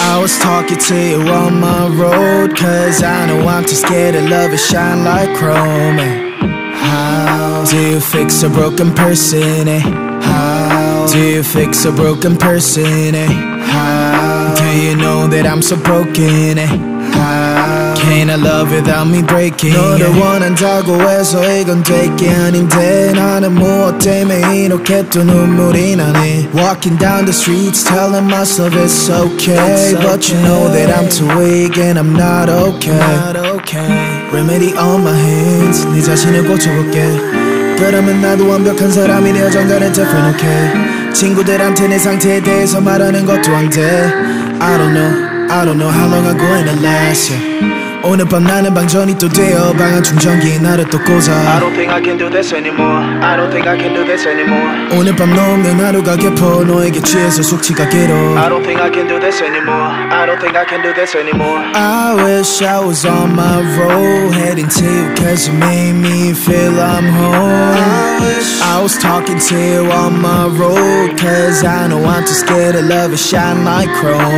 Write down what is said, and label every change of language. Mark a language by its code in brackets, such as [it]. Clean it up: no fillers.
[en] I was talking to you on my road, cause I know I'm too scared of love, it shine like chrome. Do you fix a broken person, eh? How? Do you fix a broken person, eh? How? Do you know that I'm so broken, eh? How? Can I love without me breaking? [ko] 너를 원한다고 해서 이건 되게 아닌데 나는 무엇 때문에 이렇게 또 눈물이 나네. [en] Walking down the streets telling myself it's okay, it's but okay. You know that I'm too weak and I'm not okay. Not okay. Remedy on my hands, [ko] 네 자신을 고쳐볼게. 그러면 나도 완벽한 사람이 되어 정관을 덮어놓게. 친구들한테 내 상태에 대해서 말하는 것도 안 돼. [en] I don't know how long I'm gonna last, yeah. [ko] 오늘 밤 나는 방전이 또 되어 방안 충전기 나를 또 꽂아. [en] I don't think I can do this anymore. I don't think I can do this anymore. [ko] 오늘 밤 넘는 하루가 깊어 너에게 취해서 숙취가 길어. [en] I don't think I can do this anymore. I don't think I can do this anymore. I wish I was on my road, heading to you cause you made me feel I'm home. I wish I was talking to you on my road, cause I know I'm too scared of love, it shine like chrome.